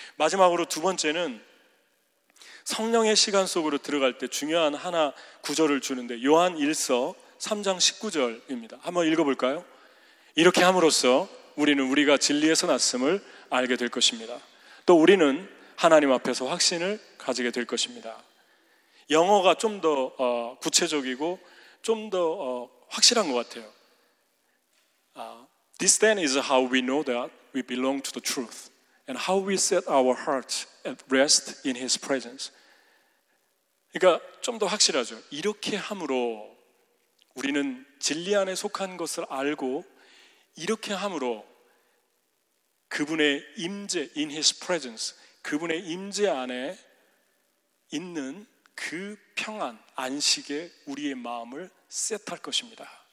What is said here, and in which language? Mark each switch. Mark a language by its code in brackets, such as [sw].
[ko] 마지막으로 두 번째는 성령의 시간 속으로 들어갈 때 중요한 하나 구절을 주는데 요한 1서 3장 19절입니다. 한번 읽어볼까요? 이렇게 함으로써 우리는 우리가 진리에서 났음을 알게 될 것입니다. 또 우리는 하나님 앞에서 확신을 가지게 될 것입니다. 영어가 좀 더 구체적이고 좀 더 확실한 것 같아요. [en] This then is how we know that we belong to the truth and how we set our hearts at rest in His presence. [ko] 그러니까 좀 더 확실하죠. 이렇게 함으로 우리는 진리 안에 속한 것을 알고 이렇게 함으로 그분의 임재 [en] in His presence [ko] 그분의 임재 안에 있는 그 평안, 안식에 우리의 마음을 셋할 것입니다.